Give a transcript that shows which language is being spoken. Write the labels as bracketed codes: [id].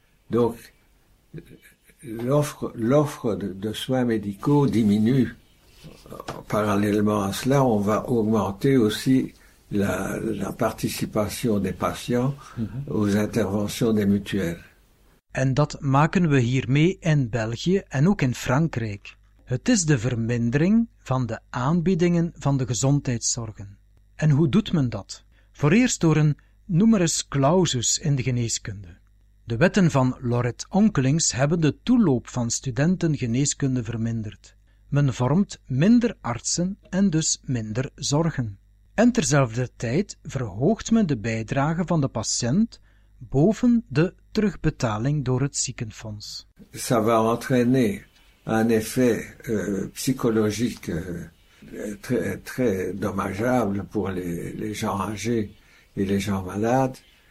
[fr] Donc, l'offre de soins médicaux diminue. Parallèlement à cela, on va augmenter aussi la participation des patients aux interventions des mutuelles. [nl] En dat maken we hiermee in België en ook in Frankrijk. Het is de vermindering van de aanbiedingen van de gezondheidszorgen. En hoe doet men dat? Voor eerst door een numerus clausus in de geneeskunde. De wetten van Laurette Onkelings hebben de toeloop van studenten geneeskunde verminderd. Men vormt minder artsen en dus minder zorgen. En terzelfde tijd verhoogt men de bijdrage van de patiënt boven de terugbetaling door het ziekenfonds. [fr] Ça va entraîner un effet psychologique très, très dommageable pour les gens âgés et les gens malades.